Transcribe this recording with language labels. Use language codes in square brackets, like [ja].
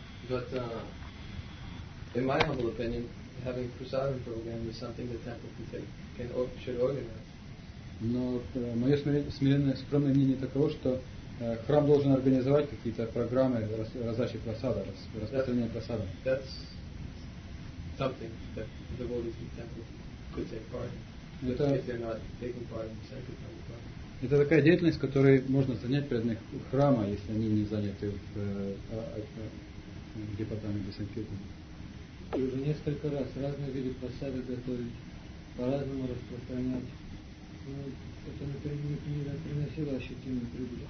[en] But in my humble opinion, having a prasadam program is something the temple can take, can or should organize. [ru] Но мое смиренное скромное мнение таково, что храм должен организовать какие-то программы раздачи просада, распространения просада. [en] That's something that the devotees of the temple could take part in. [ru] Это, [en] if they're not taking part in the sanctification program. [ru] Это такая деятельность, которой можно занять преданных храма, если они не заняты в департаменте санкиртана. И уже несколько раз разные виды просады готовить, по-разному распространять. Но это, например, не приносило ощутимую прибыль.